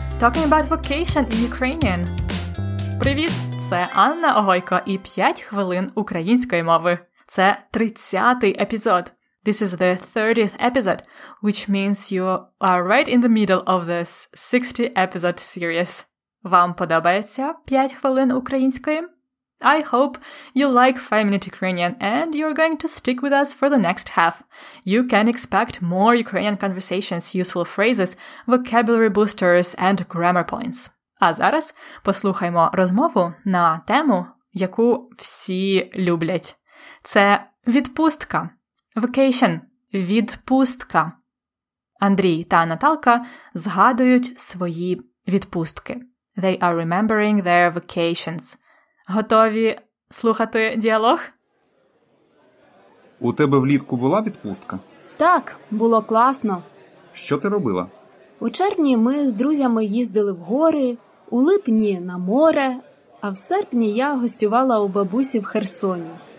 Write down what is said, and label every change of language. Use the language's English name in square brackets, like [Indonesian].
[English] Talking about vacation in Ukrainian. [Ukrainian] Привіт! Це Анна Огойко і 5 хвилин української мови. Це 30-й епізод. [English] This is the 30th episode, which means you are right in the middle of this 60-episode series. [Ukrainian] Вам подобається 5 хвилин української? [English] I hope you like 5-Minute Ukrainian and you're going to stick with us for the next half. You can expect more Ukrainian conversations, useful phrases, vocabulary boosters and grammar points. [Ukrainian] А зараз послухаймо розмову на тему, яку всі люблять. Це відпустка. Vacation. Відпустка. Андрій та Наталка згадують свої відпустки. [English] They are remembering their vacations. [Ukrainian] Готові слухати діалог? У тебе влітку була відпустка? Так, було класно. Що ти робила? У червні ми з друзями їздили в гори, у липні – на море, а в серпні я гостювала у бабусі в Херсоні.